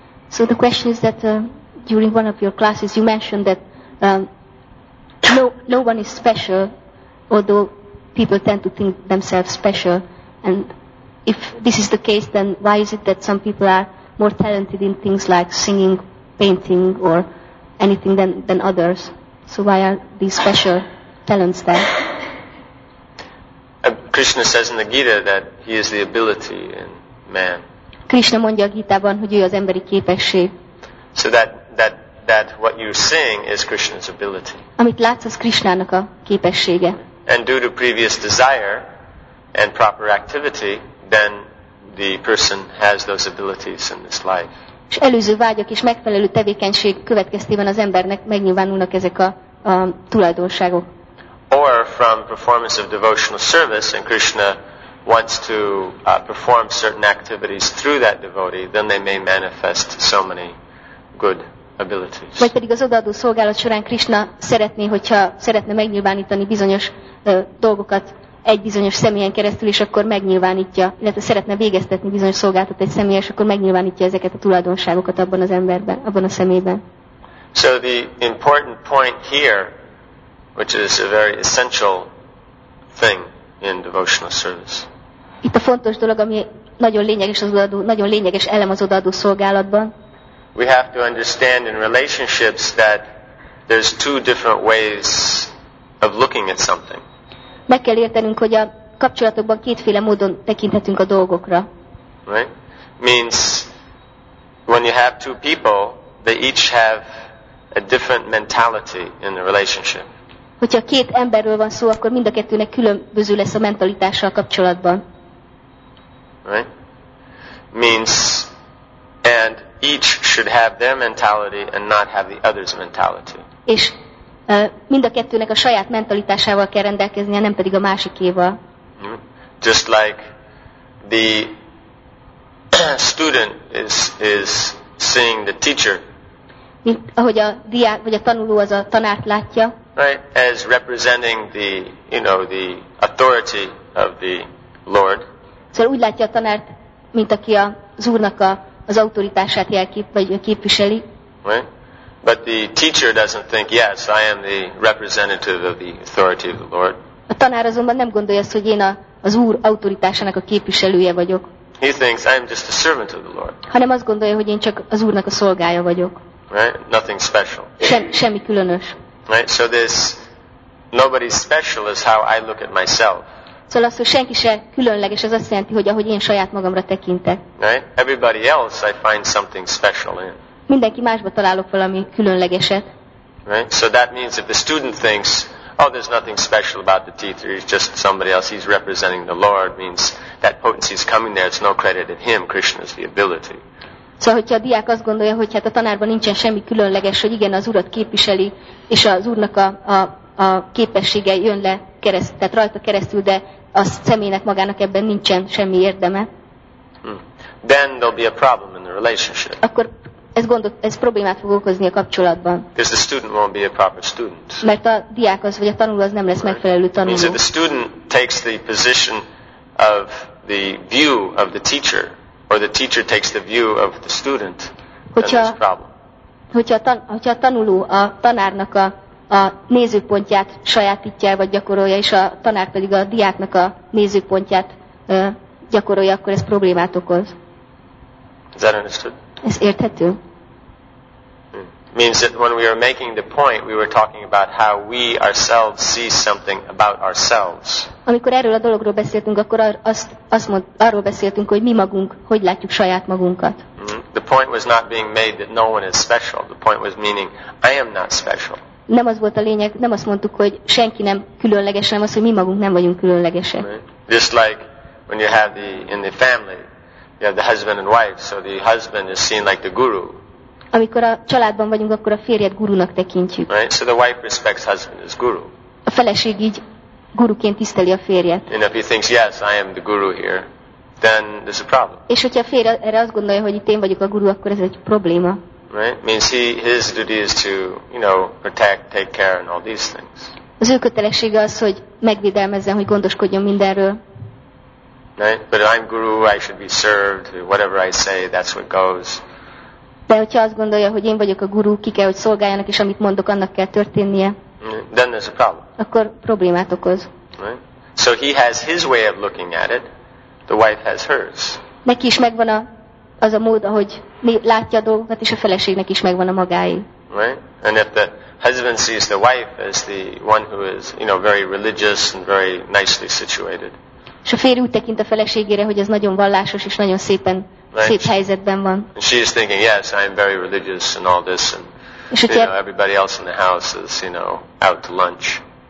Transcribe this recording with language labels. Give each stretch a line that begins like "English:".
English: So the question is that during one of your classes you mentioned that no one is special, although people tend to think themselves special. And if this is the case, then why is it that some people are more talented in things like singing, painting, or anything than others. So why are these special talents there? Krishna says in the Gita that he is the ability in man.
Hungarian: Krishna mondja a Gitában, hogy ő az emberi képesség.
English: So that what you sing is Krishna's ability.
Hungarian: Amit látsz, az Krishnának a képessége.
English: And due to previous desire and proper activity, then the person has those abilities in this life.
Hungarian: És előző vágyak és megfelelő tevékenység következtében az embernek megnyilvánulnak ezek a tulajdonságok.
English: Or from performance of devotional service, and Krishna wants to perform certain activities through that devotee, then they may manifest so many good abilities.
Hungarian: Vagy pedig az odaadó szolgálat során Krishna szeretné, hogyha szeretne megnyilvánítani bizonyos dolgokat egy bizonyos személyen keresztül, és akkor megnyilvánítja, illetve szeretne végeztetni bizonyos szolgálatot egy személyen, és akkor megnyilvánítja ezeket a tulajdonságokat abban az emberben, abban a személyben.
English: So the important point here, which is a very essential thing in devotional service.
Hungarian: Itt a fontos dolog, ami nagyon lényeges az odaadó, nagyon lényeges elem az odaadó szolgálatban.
English: We have to understand in relationships that there's two different ways of looking at something.
Hungarian: Meg kell értenünk, hogy a kapcsolatokban kétféle módon tekinthetünk a dolgokra.
English: Right? Means when you have two people, they each have a different mentality in the relationship.
Hungarian: Hogyha két emberről van szó, akkor mind a kettőnek különböző lesz a mentalitása a kapcsolatban.
English: Right? Means and each should have their mentality and not have the other's mentality.
Hungarian: És mind a kettőnek a saját mentalitásával kell rendelkeznie, nem pedig a másikéval.
English: Just like the student is seeing the teacher.
Hungarian: Mint ahogy a diák vagy a tanuló az a tanárt látja.
English: Right, as representing the, you know, the authority of the Lord.
Hungarian: Szóval úgy látja a tanárt, mint aki az Úrnak az autoritását jelkép, vagy képviseli.
English: Right. But the teacher doesn't think, yes, I am the representative of the authority of the Lord.
Hungarian: A tanár azonban nem gondolja azt, hogy én az Úr autoritásának a képviselője vagyok.
English: He thinks I am just a servant of the Lord.
Hungarian: Hanem azt gondolja, hogy én csak az Úrnak a szolgája vagyok.
English: Right? Nothing special.
Hungarian: Semmi különös.
English: Right? So this nobody special is how I look at myself.
Hungarian: Szóval azt, hogy senki se különleges, az azt jelenti, hogy ahogy én saját magamra tekintek.
English: Right? Everybody else I find something special in.
Hungarian: Mindenki másba találok valami különlegeset.
English: Right? So that means if the student thinks, oh, there's nothing special about the teacher, he's just somebody else, he's representing the Lord, means that potency is coming there, it's no credit at him, Krishna is the ability.
Hungarian: Szóval, hogyha a diák azt gondolja, hogy hát a tanárban nincsen semmi különleges, hogy igen, az Urat képviseli, és az Úrnak a képessége jön le keresztül, tehát rajta keresztül, de a személynek magának ebben nincsen semmi érdeme.
English: Then there'll be a problem in the relationship.
Hungarian: Akkor ez problémát fog okozni a kapcsolatban.
English: Because the student won't be a proper student.
Hungarian: Mert a diák az, vagy a tanuló az nem lesz megfelelő tanuló.
English: Means if the student takes the position of the view of the teacher, or the teacher takes the view of the student,
Hungarian: hogyha,
English: then there's a problem.
Hungarian: Hogyha a tanuló a tanárnak a nézőpontját sajátítja, vagy gyakorolja, és a tanár pedig a diáknak a nézőpontját gyakorolja, akkor ez problémát okoz.
English: Is that understood?
Hungarian: Ez érthető?
English: Means that when we were making the point, we were talking about how we ourselves see something about ourselves.
Hungarian: Amikor erről a dologról beszéltünk, akkor arról beszéltünk, hogy mi magunk, hogy látjuk saját magunkat.
English: The point was not being made that no one is special. The point was meaning I am not special.
Hungarian: Nem az volt a lényeg, nem azt mondtuk, hogy senki nem különleges, hanem az, hogy mi magunk nem vagyunk különlegesek.
English: Right. Just like when you have in the family, you have the husband and wife, so the husband is seen like the guru.
Hungarian: Amikor a családban vagyunk, akkor a férjet gurunak tekintjük.
English: Right? So the wife respects husband as guru.
Hungarian: A feleség így guruként tiszteli a férjet.
English: And if he thinks, yes, I am the guru here, then there's a problem.
Hungarian: És hogyha a férje erre azt gondolja, hogy itt én vagyok a guru, akkor ez egy probléma.
English: Right? Means his duty is to, you know, protect, take care and all these things.
Hungarian: Az ő kötelessége az, hogy megvédelmezzen, hogy gondoskodjon mindenről.
English: Right? But I'm guru, I should be served, whatever I say, that's what goes.
Hungarian: De hogyha azt gondolja, hogy én vagyok a guru, ki kell, hogy szolgáljanak, és amit mondok, annak kell történnie.
English: Then there's a problem.
Hungarian: Akkor problémát okoz.
English: Right? So he has his way of looking at it, the wife has hers.
Hungarian: Neki is megvan a az a mód, ahogy látja a dolgokat, és a feleségnek is megvan a magáé.
English: Right? And if the husband sees the wife as the one who is, you know, very religious and very nicely situated.
Hungarian: És a férj úgy tekint a feleségére, hogy ez nagyon vallásos és nagyon szépen,
English: right?
Hungarian: Szép helyzetben van.
English: And she is thinking, yes, I am very religious and all this, and you know, everybody else in the house is, you know, out to lunch.